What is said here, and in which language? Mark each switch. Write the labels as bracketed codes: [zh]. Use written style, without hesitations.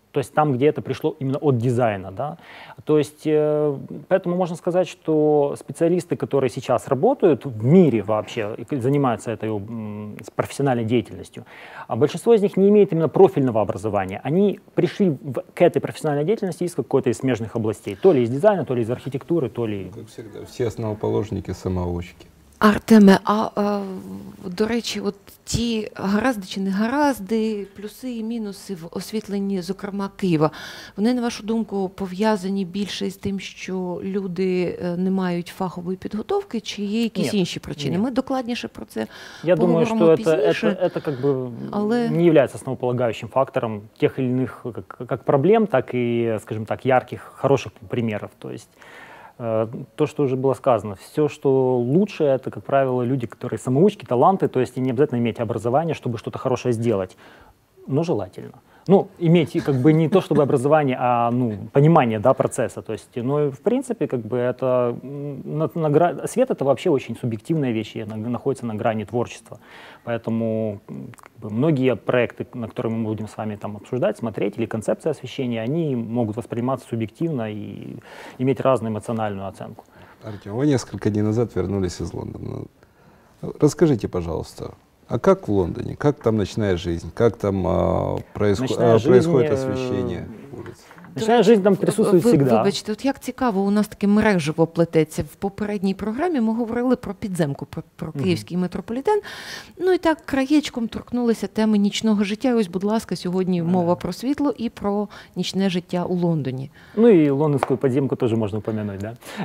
[ru] То есть там, где это пришло именно от дизайна. Да? То есть, поэтому можно сказать, что специалисты, которые сейчас работают в мире вообще, занимаются этой профессиональной деятельностью, большинство из них не имеет именно профильного образования. Они пришли к этой профессиональной деятельности из какой-то из смежных областей. То ли из дизайна, то ли из архитектуры, то ли... Как всегда, все основоположники самоучки. [uk] Артеме, а до речі, от ті гаразди чи не гаразди, плюси і мінуси в освітленні, зокрема, Києва, вони, на вашу думку, пов'язані більше з тим, що люди не мають фахової підготовки, чи є якісь [ru] Нет. [uk] інші причини? [ru] Нет. [uk] Ми докладніше про це Я думаю, що пізніше, [ru] это как бы [uk] але... [ru] не является основополагающим фактором тех или иных как проблем, так и, скажем так, ярких, хороших примеров. То есть... То, что уже было сказано, все, что лучше, это, как правило, люди, которые самоучки, таланты, то есть не обязательно иметь образование, чтобы что-то хорошее сделать, но желательно. Ну, иметь как бы не то, чтобы образование, а ну, понимание, да, процесса, то есть, ну, в принципе, как бы это, свет это вообще очень субъективная вещь, и находится на грани творчества, поэтому как бы, многие проекты, на которые мы будем с вами там обсуждать, смотреть, или концепции освещения, они могут восприниматься субъективно и иметь разную эмоциональную оценку. Артем, вы несколько дней назад вернулись из Лондона. Расскажите, пожалуйста, А как в Лондоне? Как там ночная жизнь? Как там происходит освещение улиц? Ночная жизнь там присутствует всегда. [uk] Вибачте, от як цікаво, у нас таке мереживо плететься. В попередній програмі ми говорили про підземку, про київський метрополітен. Ну і так, краєчком торкнулися теми нічного життя. Ось, будь ласка, сьогодні мова про світло і про нічне життя у Лондоні. Ну і лондонську підземку теж можна упомянути, да?